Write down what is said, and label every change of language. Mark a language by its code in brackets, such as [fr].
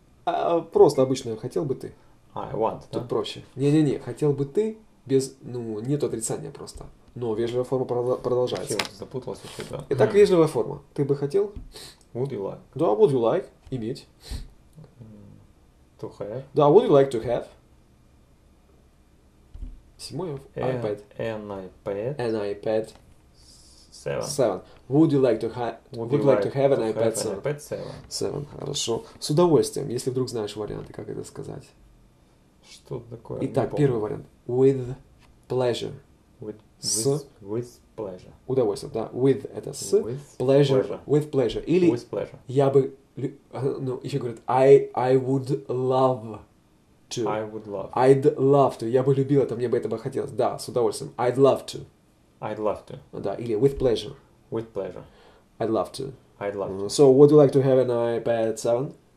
[ru] А, просто обычно хотел бы ты. [en] I want. [ru] Тут да? Проще. Не-не-не, хотел бы ты без. Ну, нет отрицания просто. Но вежливая форма продолжается. Вообще, запутался еще, да. Итак, вежливая форма. Ты бы хотел? [en] Would you like? Да, would you like [ru] иметь. [en] To have. [ru] Да, [en] would you like to have? [ru] Седьмой iPad. [en] An iPad. An iPad. Seven. Seven. Would you like to have? Would you like to have an iPad 7? iPad 7. Seven. [ru] Хорошо. С удовольствием, если вдруг знаешь варианты, как это сказать. Что такое? Итак, первый вариант. [en] With pleasure. With, с... with pleasure. [ru] Удовольствием, да. [en] With это с. With pleasure. Pleasure. With pleasure. Или with pleasure. [ru] Я бы... Ну, еще говорят, [en] I would love to. I would love. I'd love to. [ru] Я бы любил это, мне бы этого хотелось. Да, с удовольствием. [en] I'd love to. I'd love to. [ru] Да, или [en] with pleasure. With pleasure. I'd love to. I'd love to. So, would you like to have an iPad 7?